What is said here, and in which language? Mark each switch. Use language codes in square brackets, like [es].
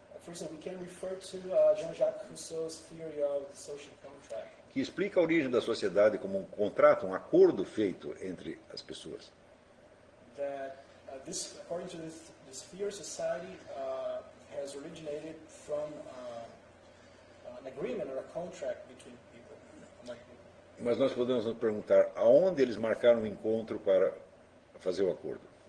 [en] We can refer to Jean-Jacques Rousseau's theory of the social contract. [pt] Que explica a origem da sociedade como um contrato, um acordo feito entre as pessoas. [en] That this, according to this, this theory, society has originated from an agreement or a contract between people. [pt] Mas nós podemos nos perguntar aonde eles marcaram um encontro para fazer o acordo.